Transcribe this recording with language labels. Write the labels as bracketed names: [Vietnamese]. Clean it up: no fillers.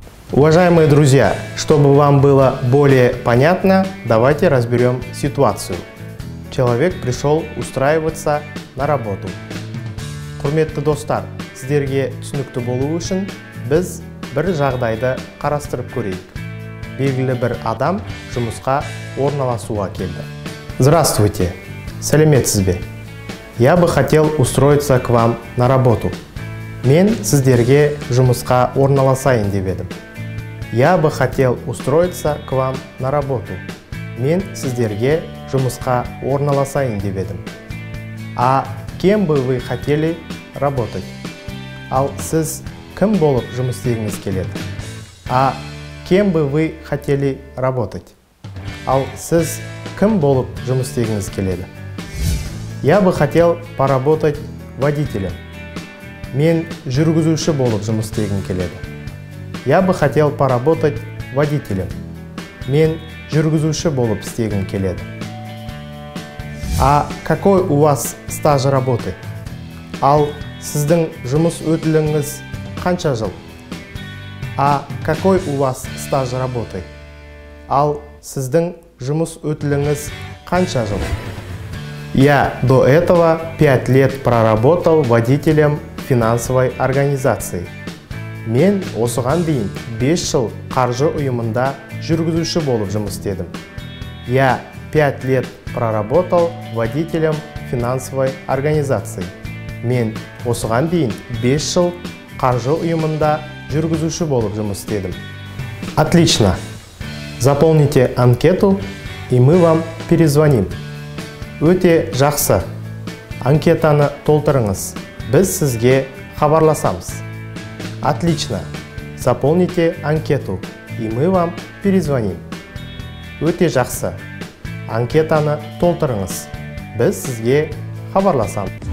[Russian] Уважаемые друзья, чтобы вам было более понятно, давайте разберем ситуацию. Человек пришел устраиваться на работу. [Kazakh] Құрметті достар, сіздерге түсінікті болу үшін біз бір жағдайды қарастырып көрейік. Белгілі бір адам жұмысқа орналасуға келді. [Russian] Здравствуйте! [Kazakh] Сәлеметсіз бе? [Russian] Я бы хотел устроиться к вам на работу. [Kazakh] Мен сіздерге жұмысқа орналасайын деп едім. [Russian] Я бы хотел устроиться к вам на работу. [Kazakh] Мен сіздерге жұмысқа орналасайын деп едім. [Russian] А кем бы вы хотели работать? [Kazakh] Ал сіз кім болып жұмыс істегіңіз келеді? [Russian] А кем бы вы хотели работать? [Kazakh] Ал сіз кім болып жұмыс істегіңіз келеді? [Russian] Я бы хотел поработать водителем. [Kazakh] Мен жүргізуші болып жұмыс істегім келеді. [Russian] Я бы хотел поработать водителем. [Kazakh] Мен жүргізуші болып істегім келеді. [Russian] А какой у вас стаж работы? [Kazakh] Ал сіздің жұмыс өтіліңіз қанша жыл? [Russian] А какой у вас стаж работы? [Kazakh] Ал сіздің жұмыс өтіліңіз қанша жыл? [Russian] Я до этого 5 лет проработал водителем финансовой организации. [Kazakh] Мен осыған дейін 5 жыл қаржы ұйымында жүргізуші болып жұмыс істедім. [Russian] Я 5 лет проработал водителем финансовой организации. [Kazakh] Мен осыған дейін 5 жыл қаржы ұйымында жүргізуші болып жұмыс істедім. [Russian] Отлично! Заполните анкету, и мы вам перезвоним. [Kazakh] Өте жақсы! Анкетаны толтырыңыз. Біз сізге хабарласамыз. [Russian] Отлично! Заполните анкету, и мы вам перезвоним. [Kazakh] Өте жақсы! Анкетаны толтырыңыз. Біз сізге хабарласамыз.